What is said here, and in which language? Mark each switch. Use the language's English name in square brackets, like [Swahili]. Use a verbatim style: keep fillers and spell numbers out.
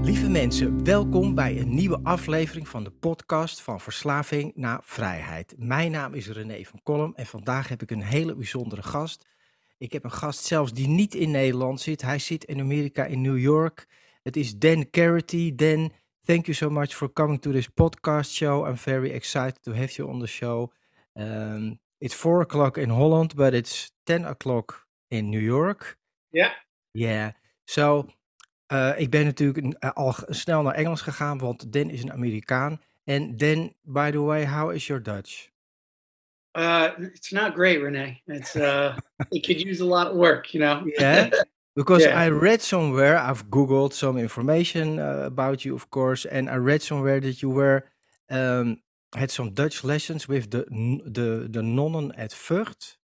[Dutch] Mensen, welkom bij een nieuwe aflevering van de podcast van Verslaving naar Vrijheid. Mijn naam is René van Kolm en vandaag heb ik een hele bijzondere gast. Ik heb een gast zelfs die niet in Nederland zit. Hij zit in Amerika, in New York. Het is Dan Carity. [English] Dan, thank you so much for coming to this podcast show. I'm very excited to have you on the show. Um, it's four o'clock in Holland, but it's ten o'clock in New York. Yeah. Yeah. So... [Dutch] Uh, ik ben natuurlijk al snel naar Engels gegaan, want Dan is een Amerikaan. [English] En Dan, by the way, how is your Dutch? Uh, it's not great, René. It's uh, it could use a lot of work, you know. Yeah, because yeah. I read somewhere, I've Googled some information uh, about you, of course, and I read somewhere that you were um, had some Dutch lessons with the the the nonnen at Vught.